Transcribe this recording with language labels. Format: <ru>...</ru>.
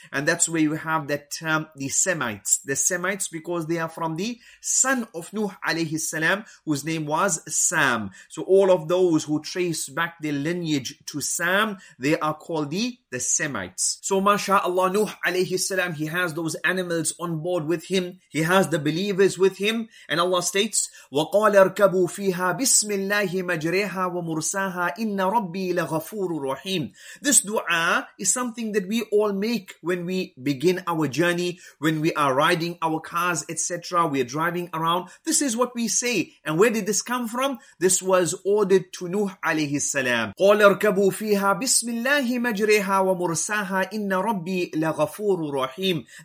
<en>And that's where you have that term, the Semites. The Semites, because they are from the son of Nuh alayhi salam, whose name was Sam. So all of those who trace back their lineage to Sam, they are called the Semites. So mashallah, Nuh alayhi salam, he has those animals on board with him. He has the believers with him. And Allah states,</en> <ar>وَقَالَ ارْكَبُوا فِيهَا بِسْمِ اللَّهِ مَجْرِيهَا وَمُرْسَاهَا إِنَّ رَبِّي لَغَفُورُ رَحِيمٌ.</ar> <en>This dua is something that we all make when we begin our journey, when we are riding our cars, etc. We are driving around. This is what we say. And where did this come from? This was ordered to Nuh alayhi salam.</en> <ar>قَالَ ارْكَبُوا فِيهَا بِسْمِ اللَّهِ مَجْرِيهَا وَمُرْسَاهَا إِنَّ رَبِّي لَغَفُورُ رَحِيمٌ.</ar>